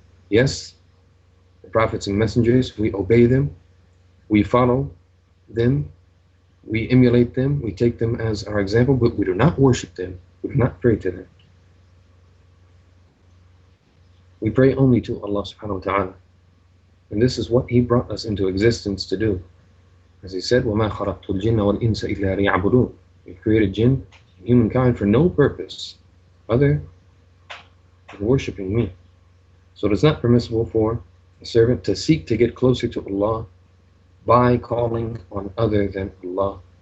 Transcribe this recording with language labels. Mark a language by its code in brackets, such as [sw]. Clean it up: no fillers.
[en] Yes, the prophets and messengers, we obey them, we follow them, we emulate them, we take them as our example, but we do not worship them, we do not pray to them. We pray only to Allah subhanahu wa ta'ala. And this is what He brought us into existence to do. As He said, [ar] وَمَا خَرَقْتُ الْجِنَّ وَالْإِنسَ إِلَّا لِيَعْبُدُونَ. [en] We created jinn and humankind for no purpose other than worshipping Me. So it is not permissible for a servant to seek to get closer to Allah by calling on other than Allah.